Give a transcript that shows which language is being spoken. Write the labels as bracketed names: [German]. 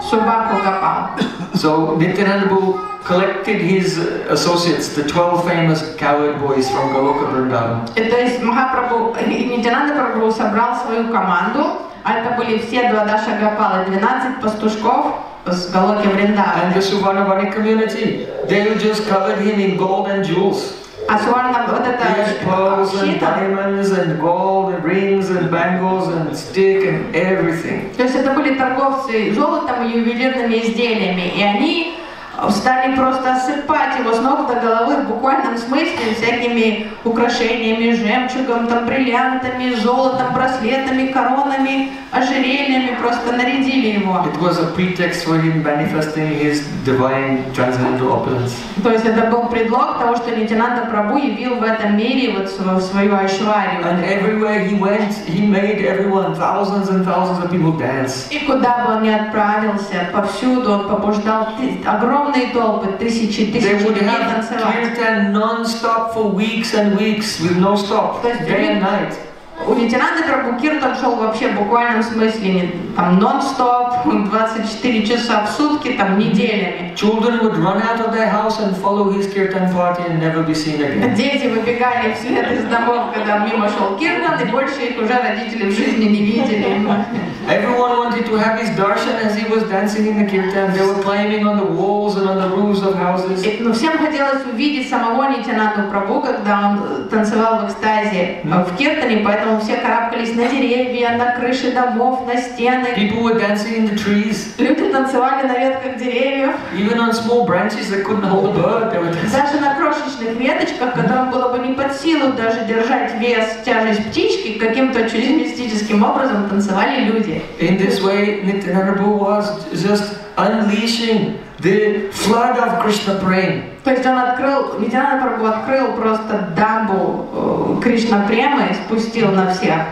[Russian] Субаху Гопал. [English] So Nityananda Prabhu collected his associates, the 12 famous cowherd boys from Goloka Vrindavan. [Russian] То есть Махапрабху, Нитянанда Прабху собрал свою команду, а это были все Dwadashi Gopalas, 12 пастушков. [English] And the Suvarnavani community, they just covered him in gold and jewels. Pearls and diamonds and gold and rings and bangles and stick and everything. [Russian] То есть это были торговцы золотом и ювелирными изделиями, и они стали просто осыпать его с ног до головы в буквальном смысле всякими украшениями, жемчугом, там, бриллиантами, золотом, браслетами, коронами, ожерельями, просто нарядили его. [English] It was a pretext for him manifesting his divine transcendental opulence. [Russian] То есть это был предлог того, что Нитянанда Прабху явил в этом мире вот свою айшварию. [English] And everywhere he went, he made everyone, thousands and thousands of people dance. [Russian] И куда бы он ни отправился, повсюду он побуждал огромные толпы, тысячи, тысячи людей танцевать. [English] Kirtan non-stop for weeks and weeks with no stop, day and night. [Russian] У Нитянанды Прабху киртан шел вообще в буквальном смысле там нон-стоп, 24 часа в сутки, там неделями. [English] Children would run out of their house and follow his kirtan party and never be seen again. [Russian] Дети выбегали вслед из домов, когда мимо шел киртан, и больше их уже родители в жизни не видели. [English] Everyone wanted to have his darshan as he was dancing in the kirtan. They were climbing on the walls and on the roofs of houses. [Russian] Но всем хотелось увидеть самого Нитянанду Прабху, когда он танцевал в экстазе в киртане, поэтому все карабкались на деревья, на крыши домов, на стены. [English] People were dancing in the trees. [Russian] Люди танцевали на ветках деревьев. [English] Even on small branches that couldn't hold a bird, they were dancing. [Russian] Даже на крошечных веточках, которым было бы не под силу даже держать вес, тяжесть птички, каким-то чудесным мистическим образом танцевали люди. [English] In this way, Nityananda Prabhu was just unleashing the flood of Krishna Prem. [Russian] То есть он открыл, Нитянанда Прабху открыл просто дамбу Кришна Премы и спустил на всех.